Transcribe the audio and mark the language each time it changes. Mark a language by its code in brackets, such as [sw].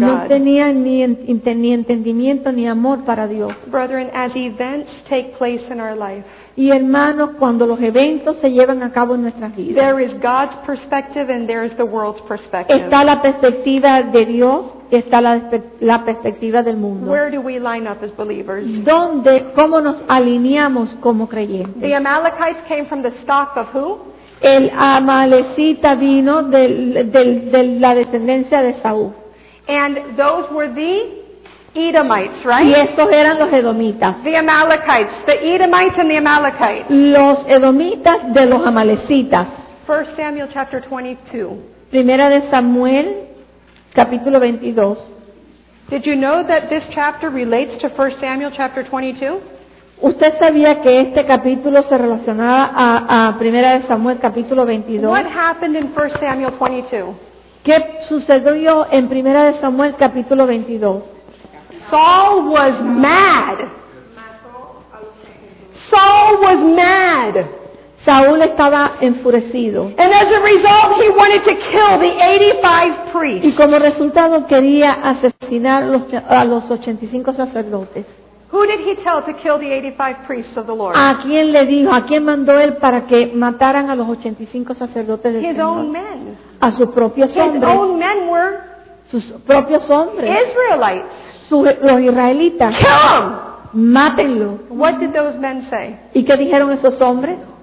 [es] No tenía ni entendimiento ni amor para Dios. [en] Brethren, as events take place in our life. [es] Y hermanos, cuando los eventos se llevan a cabo en nuestras vidas. [en] There is God's perspective and there is the world's perspective. [es] Está la perspectiva de Dios. Está la perspectiva del mundo. [en] Where do we line up as believers? [es] ¿Dónde, cómo nos alineamos como creyentes? [en] The Amalekites came from the stock of who? [es] El amalecita vino de la descendencia de Saúl. [en] And those were the Edomites, right? [es] Y estos eran los Edomitas. [en] The Amalekites, the Edomites and the Amalekites. [es] Los Edomitas de los Amalecitas. [en] 1 Samuel chapter 22. [es] Primera de Samuel, capítulo 22. [en] Did you know that this chapter relates to 1 Samuel chapter 22? [es] ¿Usted sabía que este capítulo se relacionaba a Primera de Samuel capítulo 22? [en] What happened in 1 Samuel 22? [es] ¿Qué sucedió en Primera de Samuel capítulo 22? [en] Saul was mad. Saul was mad. [es] Saúl estaba enfurecido. [en] And as a result, he wanted to kill the 85 priests. [es] Y como resultado quería asesinar a los 85 sacerdotes. [en] Who did he tell to kill the 85 priests of the Lord? [es] ¿A quién le dijo? ¿A quién mandó él para que mataran a los 85 sacerdotes del [en] His [es] Señor? [en] His own men. [es] A sus propios [en] His [es] hombres. [en] His own men were. [es] Sus propios hombres. [en] Israelites. [es] Los israelitas. [en] Kill them. [es] Mátenlo. [en] What did those men say? [es] ¿Y qué dijeron esos hombres?